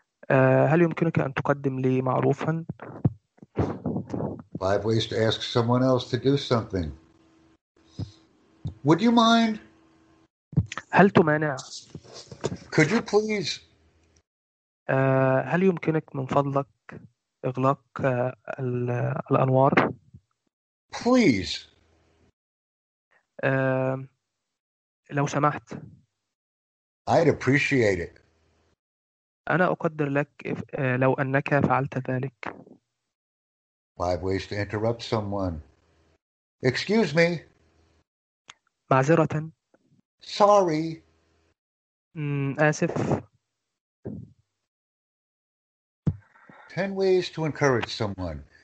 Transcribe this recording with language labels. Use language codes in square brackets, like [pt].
[ar] هل يمكنك أن تقدم لي معروفا؟ [en] 5 ways to ask someone else to do something. Would you mind? [ar] هل تمانع؟ [en] Could you please? [ar] هل يمكنك من فضلك إغلاق الأنوار؟ [en] Please. [ar] لو سمحت. [en] I'd appreciate it. [ar] أنا أقدر لك لو أنك فعلت ذلك. [en] 5 ways to interrupt someone. Excuse me. [ar] معذرة. [en] Sorry. [ar] آسف. [en] 10 ways to encourage someone.